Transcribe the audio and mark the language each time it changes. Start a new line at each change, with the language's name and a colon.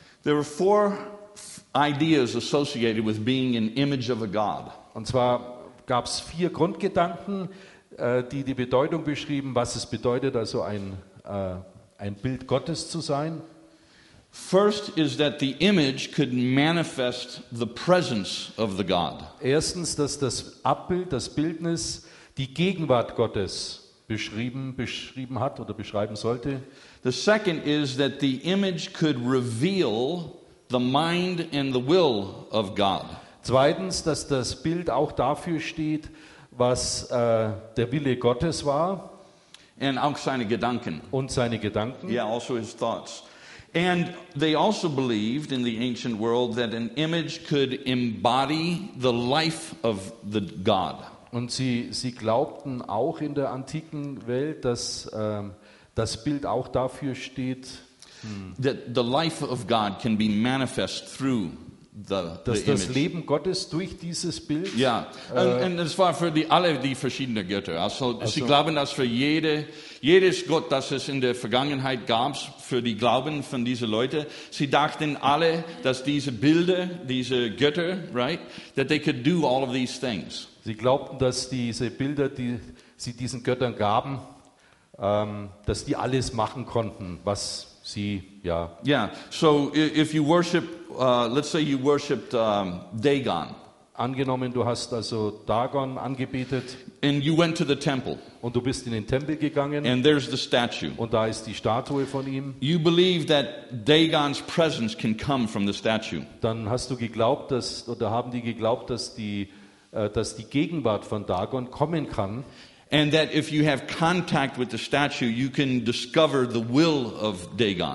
English: There are four ideas associated with being an image of a god.
German: Und zwar gab es vier Grundgedanken, die die Bedeutung beschrieben, was es bedeutet, also ein Bild Gottes zu sein.
English: First is that the image could manifest the presence of the God.
German: Erstens, dass das Abbild, das Bildnis, die Gegenwart Gottes beschrieben hat oder beschreiben sollte.
English: The second is that the image could reveal the mind and the will of God.
German: Zweitens, dass das Bild auch dafür steht, was der Wille Gottes war. And auch seine Gedanken. Und seine Gedanken.
English: Yeah, also his thoughts. And they also believed in the ancient world that an image could embody the life of the god.
German: Und sie glaubten auch in der antiken Welt, dass das Bild auch dafür steht,
English: that the life of God can be manifest through the image.
German: Dass das Leben Gottes durch dieses Bild. Ja, yeah. And es war für alle die verschiedenen Götter. Also sie glauben, dass für jedes Gott, das es in der Vergangenheit gab, für die Glauben von diesen Leuten, sie dachten alle, dass diese Bilder, diese Götter,
English: right, that they could do all of these things.
German: Sie glaubten, dass diese Bilder, die sie diesen Göttern gaben, dass die alles machen konnten, was sie, ja.
English: Yeah, so if you worship, let's say you worshipped Dagon.
German: Angenommen, du hast also Dagon angebetet.
English: And you went to the temple.
German: Und du bist in den Tempel gegangen.
English: And there's the statue.
German: Und da ist die Statue von ihm.
English: You believe that Dagon's presence can come from the statue.
German: Dann hast du geglaubt, dass die Gegenwart von Dagon kommen kann.
English: And that if you have contact with the statue, you can discover the will of Dagon.